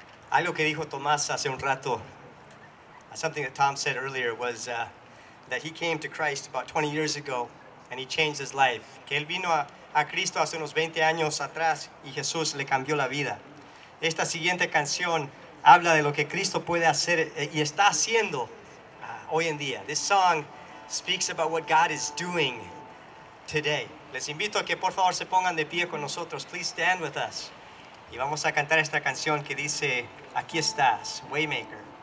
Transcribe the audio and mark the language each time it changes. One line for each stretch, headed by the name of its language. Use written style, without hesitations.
Spanish: Algo que dijo Tomás hace un rato,
English: something that Tom said earlier was that he came to Christ about 20 years ago and he changed his life.
Spanish: Que él vino a Cristo hace unos 20 años atrás y Jesús le cambió la vida. Esta siguiente canción habla de lo que Cristo puede hacer y está haciendo hoy en día.
English: This song speaks about what God is doing today.
Spanish: Les invito a que por favor se pongan de pie con nosotros.
English: Please stand with us.
Spanish: Y vamos a cantar esta canción que dice, aquí estás, Waymaker.